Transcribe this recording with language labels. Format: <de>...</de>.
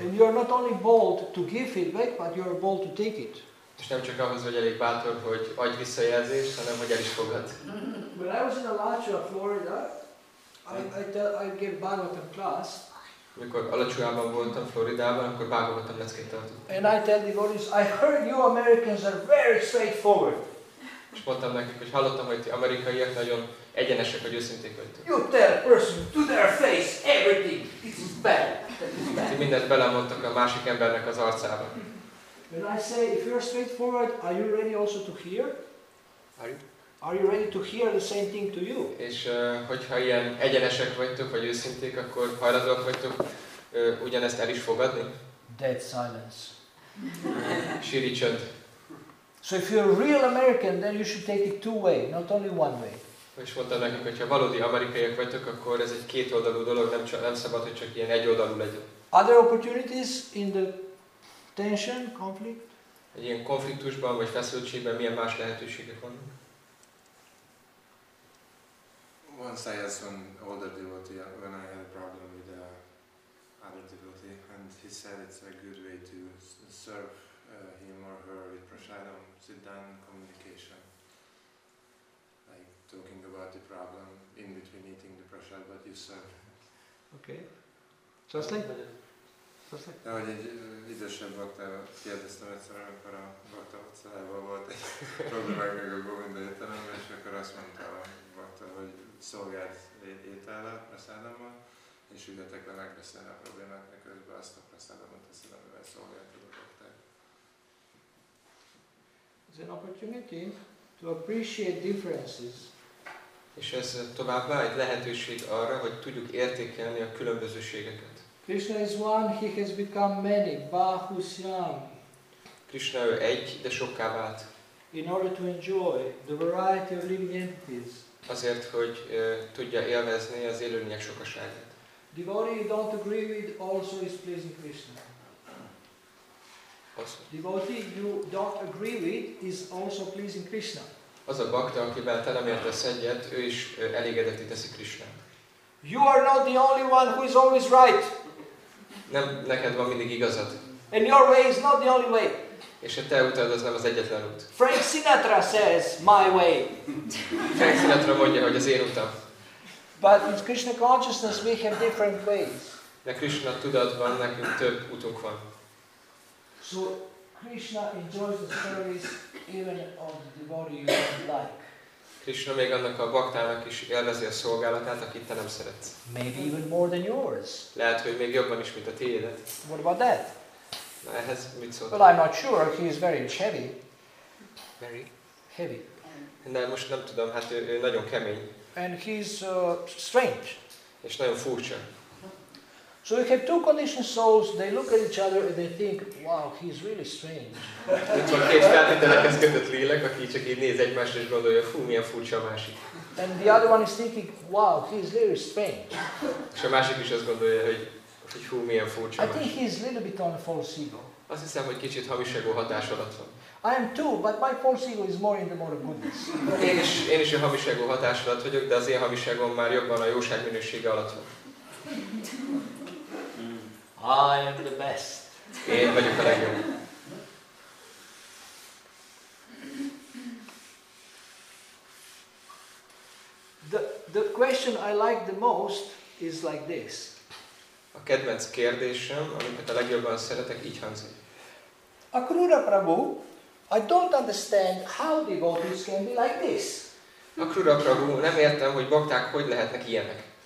<en>And you are not only bold to give feedback, but you are bold to take it.</en> <hu>És nem csak ahhoz, hogy elég bátor, hogy adj visszajelzést, hanem hogy el is fogad.</hu> <en>When I was in Alachua, Florida, I gave Bhagavatam class.</en> <hu>Mikor Alachuában voltam Floridában, akkor Bhagavatam leckét tartottam.</hu> <en>And I tell the audience, I heard you Americans are very straightforward.</en> <hu>És mondtam nekik, hogy hallottam, hogy ti amerikaiak nagyon egyenesek vagy őszinték vagytok.</hu> <en>You tell person to their face everything. This is bad. That is bad.</en> <hu>Ti mindent belemondtak a másik embernek az arcába.</hu> <en>When I say if you're straightforward, are you ready also to hear? Are you ready to hear the same thing to you?</en> <hu>És hogyha ilyen egyenesek vagytok vagy őszinték, akkor hajlandóak vagytok ugyanezt el is fogadni?</hu> <en>Dead silence.</en> <hu>Síri csönd.</hu> <en>So if you're a real American, then you should take it two way, not only one way.</en> <hu>És mondtam nekik, hogy ha valódi amerikaiak vagytok, akkor ez egy kétoldalú dolog, nem szabad, hogy csak ilyen egyoldalú legyen.</hu> <en>Other opportunities in the tension, conflict?</en> <hu>Egy ilyen konfliktusban vagy feszültségben milyen más lehetőségek vannak?</hu> <en>Once I asked an older devotee when I had a problem with another devotee, and he said it's a good way to serve him or her with prasadam, sit-down communication, like talking about the problem in between eating the prasad, but you serve. Okay. Translate.</en> <hu>Ahogy egy idősebb bakta, kérdeztem egyszer, amikor a bakta utcájában volt egy problémák meg a Govinda ételemben, és akkor azt mondta a bakta, hogy szolgált étellel, prasadammal, és üljetek le megbeszélni a problémát, miközben azt a prasadamot teszed, amivel szolgált.</hu> <en>It's an opportunity to appreciate differences.</en> <hu>És ez továbbá egy lehetőség arra, hogy tudjuk értékelni a különbözőségeket.</hu> <en>Krishna is one, he has become many, bahusyam.</en> <hu>Krishna ő egy, de sokká vált.</hu> <en>In order to enjoy the variety of living entities.</en> <hu>Azért, hogy tudja élvezni az élőlények sokaságát.</hu> <en>Devotee don't agree with also is pleasing Krishna. Devotee you don't agree with is also pleasing Krishna.</en> <hu>Az a bakta, akivel te nem értesz egyet, ő is elégedetté teszi Krishnát.</hu> <en>You are not the only one who is always right.</en> <hu>Nem, neked van mindig igazad.</hu> <en>And your way is not the only way.</en> <hu>És a te utad az nem az egyetlen út.</hu> <en>Frank Sinatra says my way.</en> <hu>Frank Sinatra mondja, hogy az én utam.</hu> <en>But in Krishna consciousness we have different ways.</en> <hu>De Krishna tudatban nekünk több utunk van.</hu> <en>So Krishna enjoys the service even of the devotee you don't like.</en> <hu>Krishna még annak a baktának is élvezi a szolgálatát, akit te nem szeretsz.</hu> <en>Maybe even more than yours.</en> <hu>Lehet, hogy még jobban is, mint a tiédet.</hu> <en>What about that?</en> <hu>Na, ehhez mit szólt?</hu> <en>Well, I'm not sure. He is very heavy. Very? Heavy.</en> <hu>De most nem tudom, hát ő nagyon kemény.</hu> <en>And he's strange.</en> <hu>És nagyon furcsa.</hu> <en>So you have two conditioned souls, they look at each other and they think, wow, he's really strange.</en> <hu>Itt van két feltételekhez kötött lélek, aki csak így néz egymást és gondolja, fú, milyen furcsa a másik.</hu> <en>And the other one is thinking, wow, he's really strange.</en> <hu>És a másik is azt gondolja, hogy fú, milyen furcsa a másik.</hu> <en>I think he's a little bit on a false ego.</en> <hu>Azt hiszem, hogy kicsit hamis ego hatás alatt van.</hu> <en>I am too, but my false ego is more in the mode of goodness.</en> <hu>Én is a hamis ego hatás alatt vagyok, de az én hamis egom már jobban a jóság minősége alatt van.</hu> <en>I am the best.</en> <hu>Én vagyok a legjobb.</hu> <en>The question I like the most is like this.</en> <hu>A kedvenc kérdésem, amit a legjobban szeretek, így hangzik.</hu> <en>Akrura Prabhu, I don't understand how devotees can be like this.</en> <hu>Akrura Prabhu, nem értem, hogy bakták hogy lehetnek ilyenek.</hu>